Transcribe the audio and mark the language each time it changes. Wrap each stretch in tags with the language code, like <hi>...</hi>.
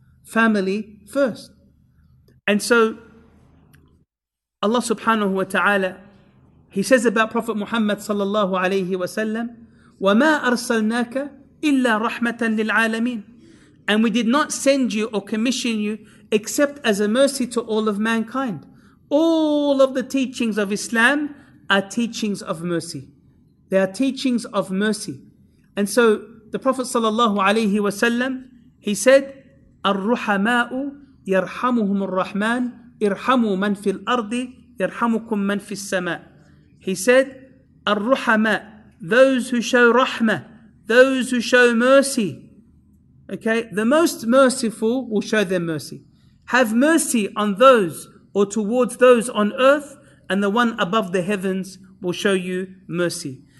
<en>Family first. And so Allah subhanahu wa ta'ala, he says about Prophet Muhammad sallallahu alayhi wa sallam,</en> <ar>وَمَا أَرْسَلْنَاكَ إِلَّا رَحْمَةً لِلْعَالَمِينَ,</ar> <en>and we did not send you or commission you except as a mercy to all of mankind. all of the teachings of Islam are teachings of mercy. They are teachings of mercy. And so the Prophet sallallahu alayhi wa sallam, he said,</en> <ar>الرحماءُ يرحمهم الرحمن ارحموا من في الأرض يرحمكم من في السماء.</ar> <en>He said, الرحماء, those who show rahmah, those who show mercy. Okay, the most merciful will show them mercy. Have mercy on those or towards those on earth, and the one above the heavens will show you mercy.</en>